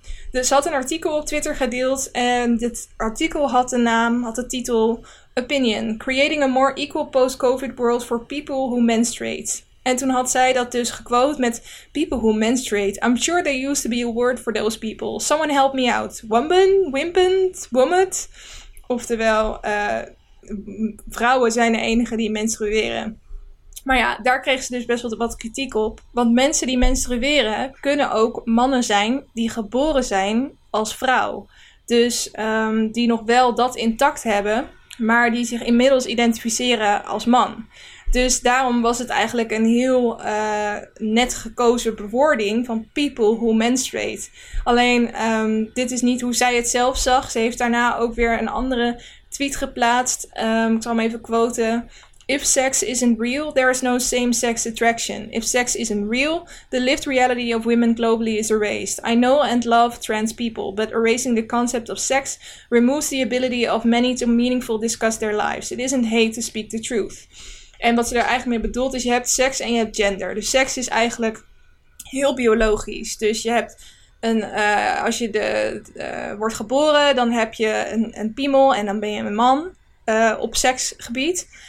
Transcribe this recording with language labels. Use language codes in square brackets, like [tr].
[nl] Dus ze had een artikel op Twitter gedeeld en dit artikel had de titel [en] Opinion, Creating a More Equal Post-COVID World for People Who Menstruate. [nl] En toen had zij dat dus gequote met [en] people who menstruate. I'm sure there used to be a word for those people. Someone help me out. Wombin? Wimpin? Womit? [nl] Oftewel, vrouwen zijn de enige die menstrueren. Maar ja, daar kreeg ze dus best wel wat kritiek op. Want mensen die menstrueren kunnen ook mannen zijn die geboren zijn als vrouw. Dus die nog wel dat intact hebben, maar die zich inmiddels identificeren als man. Dus daarom was het eigenlijk een heel net gekozen bewoording van [en] people who menstruate. [nl] Alleen, dit is niet hoe zij het zelf zag. Ze heeft daarna ook weer een andere tweet geplaatst. Ik zal hem even quoten. [en] If sex isn't real, there is no same-sex attraction. If sex isn't real, the lived reality of women globally is erased. I know and love trans people, but erasing the concept of sex removes the ability of many to meaningfully discuss their lives. It isn't hate to speak the truth. [nl] En wat ze daar eigenlijk mee bedoelt is, je hebt seks en je hebt gender. Dus seks is eigenlijk heel biologisch. Dus je hebt als je wordt geboren, dan heb je een piemel en dan ben je een man op seksgebied.